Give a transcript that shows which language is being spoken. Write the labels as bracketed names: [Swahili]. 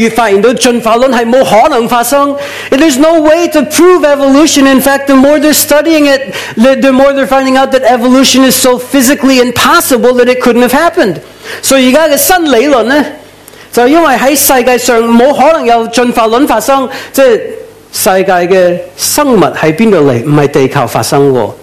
[Chinese] 很有分別的進化論沒有辦法證明是有進化論反而越研究科學越來越發現到進化論是不可能發生 [English] There's no way to prove evolution. In fact, the more they're studying it, the more they're finding out that evolution is so physically impossible that it couldn't have happened. [Chinese] So 現在的新理論呢, 就因為在世界上不可能有進化論發生, 即是世界的生物在哪裡來, 不是地球發生的,